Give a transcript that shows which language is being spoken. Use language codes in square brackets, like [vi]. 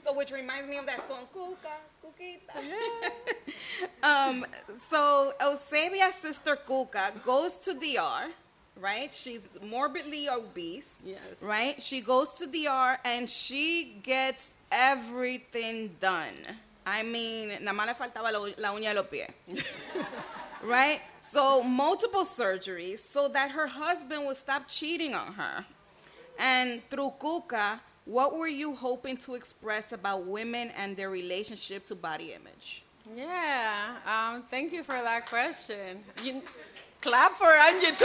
[en] So which reminds me of that song, Cuca, Cuquita. Yeah. So Eusebia's sister Cuca goes to DR, right? She's morbidly obese. Yes. Right? She goes to DR and she gets everything done. I mean, [es] nada más le faltaba la uña de los pies. [en] Right? So multiple surgeries so that her husband would stop cheating on her. And through Cuca, what were you hoping to express about women and their relationship to body image? Yeah. Thank you for that question. You clap for Angie too.